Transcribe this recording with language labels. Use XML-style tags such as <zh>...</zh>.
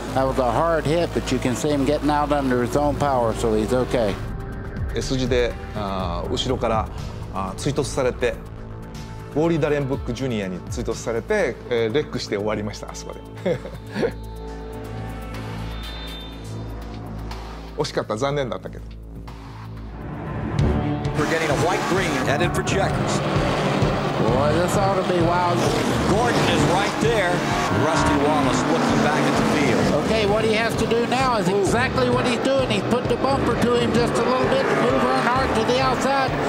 <en>That was a hard hit, but you can see him getting out under his own power, so he's okay.</en> <ja>S 字で後ろから追突されて、ウォーリー・ダレンブック・ジュニアに追突されて、レックして終わりました、あそこで。惜しかった、残念だったけど。</ja> <en>We're getting a white green headed for checkers. Boy, this ought to be wild. Gordon is right there. Rusty Wallace looking back at the field. Okay, what he has to do now is exactly what he's doing. He's put the bumper to him just a little bit to move Earnhardt to the outside.</en>